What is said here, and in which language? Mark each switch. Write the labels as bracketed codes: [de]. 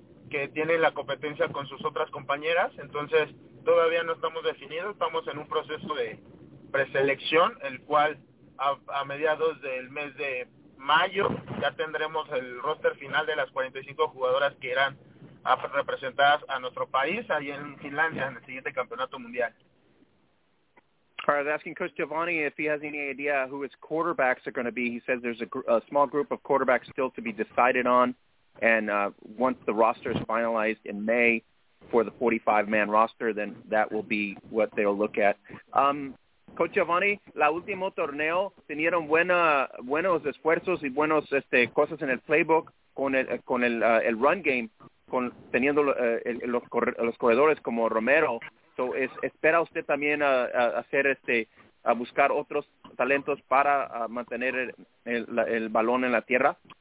[es] que tienen la competencia con sus otras compañeras. Entonces todavía no estamos definidos, estamos en un proceso de preselección, el cual a mediados del mes de mayo ya tendremos el roster final de las 45 jugadoras que irán a representadas a nuestro país ahí en Finlandia en el siguiente campeonato mundial. [en] I was asking Coach Giovanni if he has any idea who his quarterbacks are going to be. He says there's a small group of quarterbacks still to be decided on, and once the roster is finalized in May for the 45-man roster, then that will be what they'll look at. [es] Coach Giovanni, la último torneo, ¿tenieron buenos esfuerzos y buenos cosas en el playbook con el run game, teniendo los corredores como Romero? So, ¿espera usted también a buscar otros talentos para mantener el balón en la tierra?